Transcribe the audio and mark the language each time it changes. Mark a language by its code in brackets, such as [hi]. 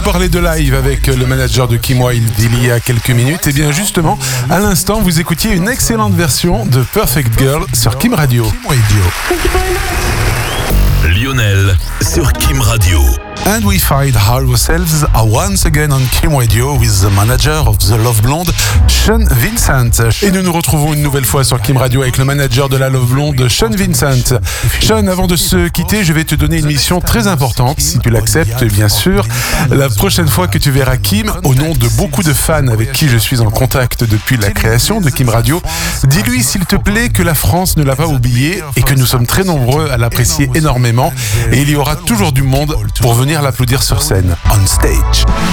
[fr] De live avec le manager de Kim Wilde il y a quelques minutes, et bien justement à l'instant vous écoutiez une excellente version de Perfect Girl sur Kim Radio. Lionel sur Kim Radio. [en] And we find ourselves once again on Kim Radio with the manager of the Love Blonde, Sean Vincent. [fr] Et nous nous retrouvons une nouvelle fois sur Kim Radio avec le manager de la Love Blonde, Sean Vincent. Sean, avant de se quitter, je vais te donner une mission très importante, si tu l'acceptes, bien sûr. La prochaine fois que tu verras Kim, au nom de beaucoup de fans avec qui je suis en contact depuis la création de Kim Radio, dis-lui, s'il te plaît, que la France ne l'a pas oublié et que nous sommes très nombreux à l'apprécier énormément, et il y aura toujours du monde pour venir l'applaudir sur scène, on stage.